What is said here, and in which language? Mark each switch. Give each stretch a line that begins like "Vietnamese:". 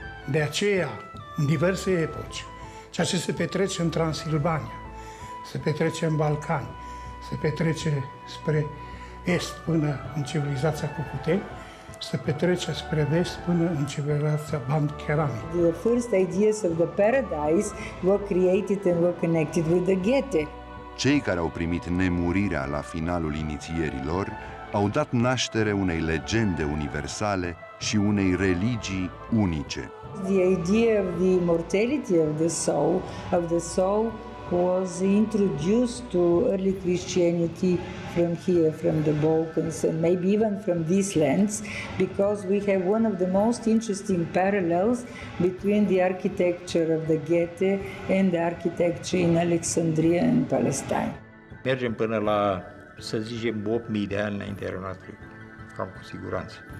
Romanian: De aceea, în diverse epoci, ceea ce se petrece în Transilvania, se petrece în Balcani, se petrece spre est până în civilizația Cucuteni, se petrece spre vest până în civilizația Bandcherami.
English: The first ideas of the paradise were created and were connected with the Goethe.
Romanian: Cei care au primit nemurirea la finalul inițierii lor au dat naștere unei legende universale și unei religii unice.
English: The idea of the immortality of the soul was introduced to early Christianity from here, from the Balkans, and maybe even from these lands, because we have one of the most interesting parallels between the architecture of the Ghete and the architecture in Alexandria and Palestine.
Romanian: Mergem până la, să zicem, 8.000 de ani înaintea noastră, cam cu siguranță.